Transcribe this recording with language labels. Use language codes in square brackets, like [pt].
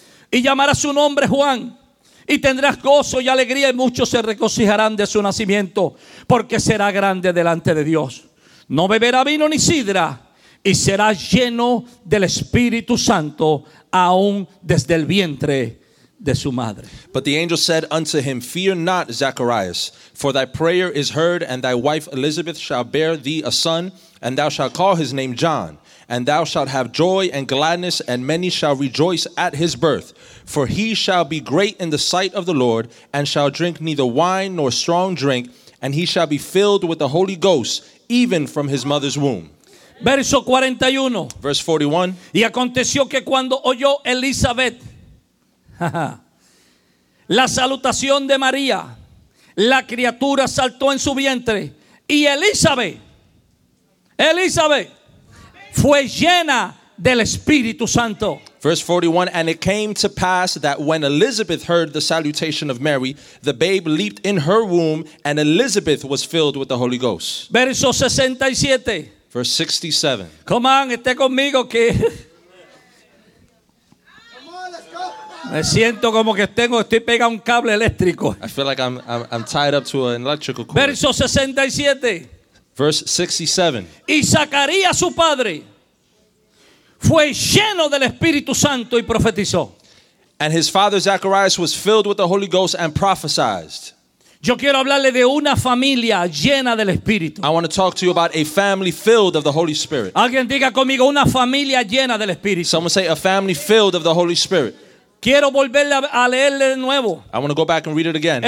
[es] Y llamará su nombre Juan. Y tendrás gozo y alegría y muchos se regocijarán de su nacimiento porque será grande delante de Dios. No beberá vino ni sidra y será lleno del Espíritu Santo aún desde el vientre de su madre. [en] But the angel said unto him, fear not, Zacharias, for thy prayer is heard and thy wife Elizabeth shall bear thee a son and thou shalt call his name John. And thou shalt have joy and gladness, and many shall rejoice at his birth. For he shall be great in the sight of the Lord, and shall drink neither wine nor strong drink. and he shall be filled with the Holy Ghost even from his mother's womb. [es] Verso 41. [en] Verse 41. [es] Y aconteció que cuando oyó Elizabeth la salutación de María, la criatura saltó en su vientre, y Elizabeth fue llena del Espíritu Santo. [en] Verse 41, and it came to pass that when Elizabeth heard the salutation of Mary, the babe leaped in her womb, and Elizabeth was filled with the Holy Ghost. [es] Verso 67. [en] Verse 67. Come on, [es] esté conmigo que... Me siento como que estoy pegado a un cable eléctrico. [en] I feel like I'm tied up to an electrical cord. [es] Verso 67. [en] Verse 67. [es] Y Zacarías su padre fue lleno del Espíritu Santo y profetizó. [en] And his father Zacharias was filled with the Holy Ghost and prophesied. [es] Yo quiero hablarle de una familia llena del Espíritu. [en] I want to talk to you about a family filled of the Holy Spirit. [es] Alguien diga conmigo una familia llena del Espíritu. [en] Someone say a family filled of the Holy Spirit. [es] Quiero volverle a leerle de nuevo. [en] I want to go back and read it again.